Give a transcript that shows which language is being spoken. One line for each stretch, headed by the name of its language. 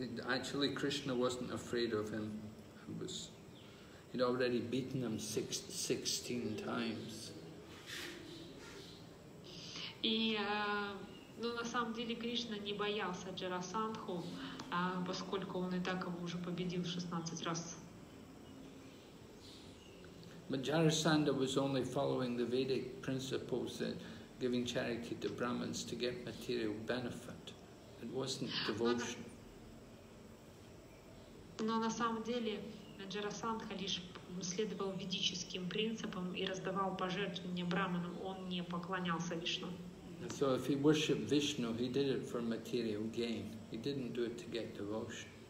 English: Actually, Krishna wasn't afraid of him. He'd already beaten him 16 times.
Russian: И, ну, на самом деле, Кришна не боялся Джарасандху, поскольку он и так его уже победил 16 раз.
English: But Jarasandha was only following the Vedic principles that giving charity to Brahmins to get material benefit. It wasn't devotion.
Russian: Но на самом деле Джарасандха лишь следовал ведическим принципам и раздавал пожертвования браманам, он не поклонялся Вишну.
English: So if he worshipped Vishnu, he did it for material gain. He didn't do it to get devotion.